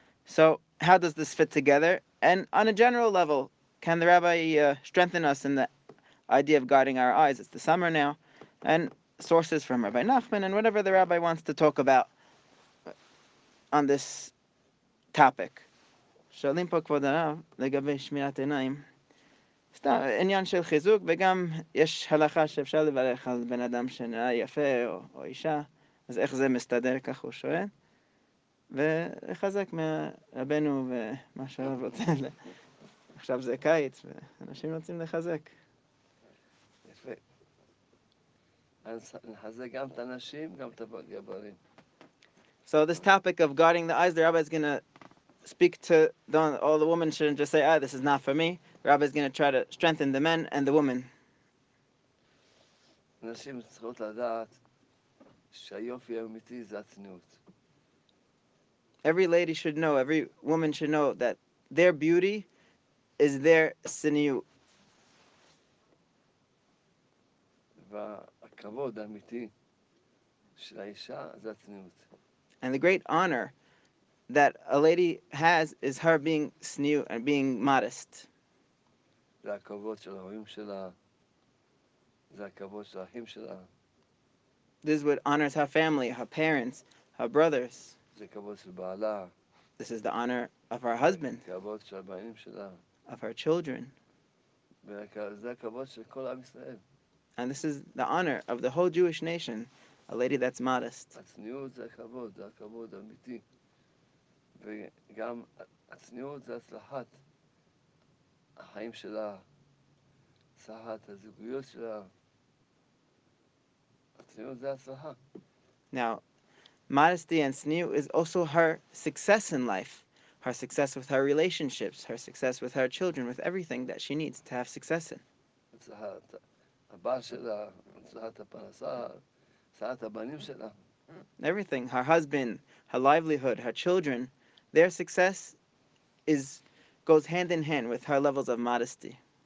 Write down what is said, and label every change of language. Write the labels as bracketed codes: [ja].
[en] So how does this fit together? And on a general level, can the rabbi strengthen us in the idea of guarding our eyes? It's the summer now. And sources from Rabbi Nachman and whatever the rabbi wants to talk about on this topic. [he] Shalim po kvod harav legavei shmirat einayim. עניין של חיזוק, וגם יש הלכה שאפשר לברך על בן אדם שנראה יפה או אישה, אז איך זה מסתדר, כך הוא שואל, ולחזק מרבנו ומה שהרב רוצה, עכשיו זה קיץ, ואנשים רוצים לחזק. יפה. אז נחזק גם את הנשים, גם את הגברים. [en] So this topic of guarding the eyes, the rabbi is going to speak to all the women shouldn't just say, this is not for me. Rabbi is going to try to strengthen the men and the women. [he] נשים צריכות לדעת שהיופי האמיתי זה הצניעות. [en] Every lady should know, every woman should know that their beauty is their צניעות. [he] והכבוד האמיתי של האישה זה הצניעות. [en] And the great honor that a lady has is her being צניעות and being modest. [he] זה הכבוד של ההורים שלה, זה הכבוד של האחים שלה. [en] This is what honors her family, her parents, her brothers. [he] זה כבוד של בעלה. [en] This is the honor of her husband. [he] זה כבוד של הבנים שלה. [en] Of her children. [he] וזה הכבוד של כל עם ישראל. [en] And this is the honor of the whole Jewish nation, a lady that's modest. [he] הצניעות זה הכבוד האמיתי. וגם הצניעות זה הצלחת. החיים שלה, הצלחת הזוגיות שלה, הצניעות זה הצלחה. [en] Now, modesty and צניעות is also her success in life, her success with her relationships, her success with her children, with everything that she needs to have success in. [he] הצלחת הבעל שלה, הצלחת הפרנסה, הצלחת הבנים שלה. [en] everything, her husband, her livelihood, her children, their success is goes hand in hand with her levels of modesty.